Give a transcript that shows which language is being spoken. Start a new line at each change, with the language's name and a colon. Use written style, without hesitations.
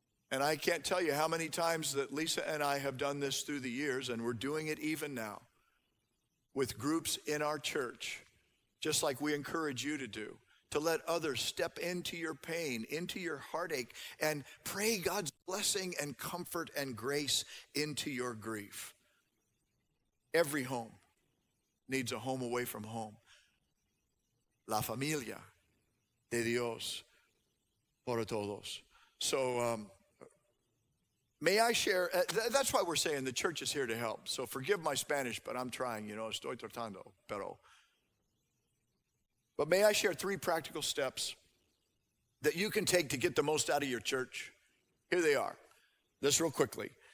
English: And I can't tell you how many times that Lisa and I have done this through the years, and we're doing it even now with groups in our church, just like we encourage you to do. To let others step into your pain, into your heartache, and pray God's blessing and comfort and grace into your grief. Every home needs a home away from home.
Spanish: La familia de Dios para todos.
English: So may I share? That's why we're saying the church is here to help. So forgive my Spanish, but I'm trying, you know.
Spanish: Estoy tratando, pero...
English: But may I share three practical steps that you can take to get the most out of your church? Here they are. This real quickly.